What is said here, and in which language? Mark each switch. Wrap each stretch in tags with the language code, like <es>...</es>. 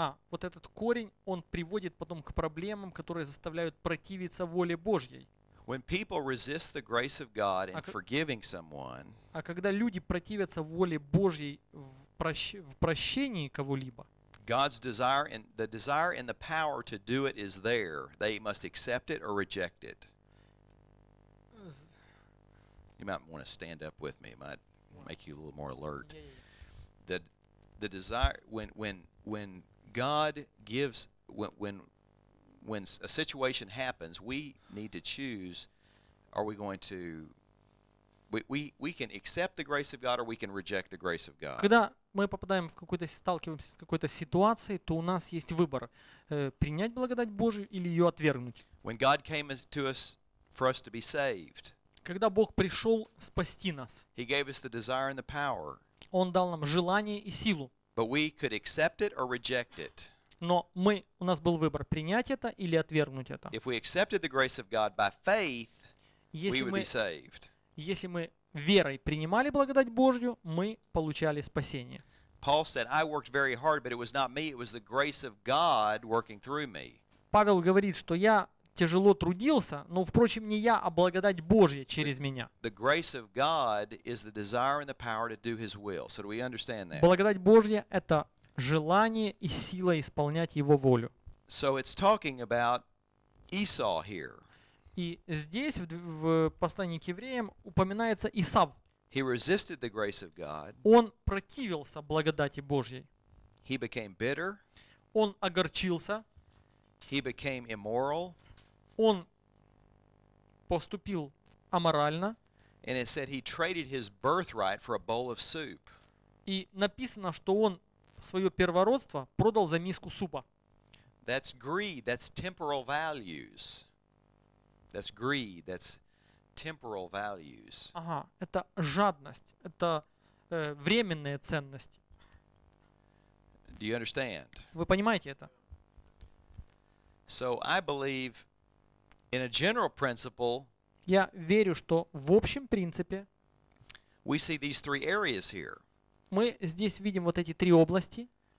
<ru>Вот этот корень, он приводит потом к проблемам, которые заставляют противиться воле Божьей.</ru> <en>When people resist the grace of God in forgiving someone,</en> <ru>а когда люди противятся воле Божьей в прощении кого-либо,</ru> <en>God's desire and the desire and the power to do it is there. They must accept it or reject it. You might want to stand up with me. It might make you a little more alert. The desire when God gives when a situation happens, we need to choose: are we going to we can accept the grace of God or we can reject the grace of God.</en> <ru>Когда мы попадаем в какой-то сталкиваемся с какой-то ситуацией, то у нас есть выбор: принять благодать Божию или ее отвергнуть.</ru> <en>When God came to us for us to be saved.</en> <ru>Когда Бог пришел спасти нас.</ru> <en>He gave us the desire and the power.</en> <ru>Он дал нам желание и силу.</ru> <en>But we could accept it or reject it.</en> <ru>Но мы, у нас был выбор, принять это или отвергнуть это.</ru> <en>If we accepted the grace of God by faith,</en> <ru>если</ru> <en>we would be saved.</en> <ru>Если мы верой принимали благодать Божью, мы получали спасение.</ru> <en>Paul said, I worked very hard, but it was not me, it was the grace of God working through me.</en> <ru>Павел говорит, что я тяжело трудился, но, впрочем, не я, а благодать Божья через меня.</ru> <en>The grace of God is the desire and the power to do His will. So do we understand that?</en> <ru>Благодать Божья — это желание и сила исполнять Его волю.</ru> <en>So it's talking about Esau here.</en> <ru>И здесь, в послании к евреям, упоминается Исав.</ru> <en>He resisted the grace of God.</en> <ru>Он противился благодати Божьей.</ru> <en>He became bitter.</en> <ru>Он огорчился.</ru> <en>He became immoral.</en> <ru>Он поступил аморально.</ru> <en>And it said he traded his birthright for a bowl of soup.</en> <ru>И написано, что он свое первородство продал за миску супа.</ru> <en>That's greed, that's temporal values. That's greed, that's temporal values.</en> <ru>Ага, это жадность, это временные ценности.</ru> <en>Do you understand?</en> <ru>Вы понимаете это?</ru> <en>So I believe in a general principle.</en> <ru>Я верю, что в общем принципе.</ru> <en>We see these three areas here.</en> <ru>Мы здесь видим вот эти три области.</ru>